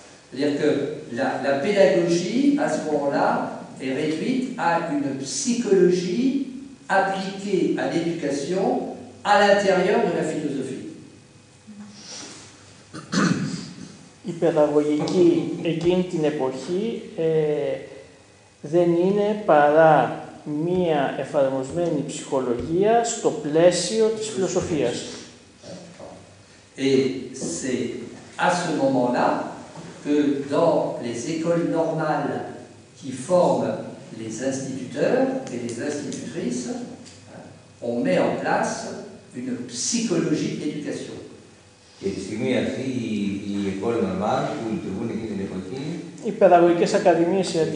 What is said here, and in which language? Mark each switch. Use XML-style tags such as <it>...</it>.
<fr>C'est-à-dire que la pédagogie, à ce moment-là, est réduite à une psychologie appliquée à l'éducation à l'intérieur de la philosophie.</fr> <el>Η παιδαγωγική εκείνη την εποχή δεν είναι παρά μία εφαρμοσμένη ψυχολογία στο πλαίσιο της φιλοσοφίας.</el> <fr>Et c'est à ce moment-là que dans les écoles normales qui forment les instituteurs et les institutrices, on met en place une psychologie d'éducation.</fr> <el>Και τη στιγμή αυτή η école normale που λειτουργούν εκείνη την εποχή, οι παιδαγωγικές ακαδημίες</el>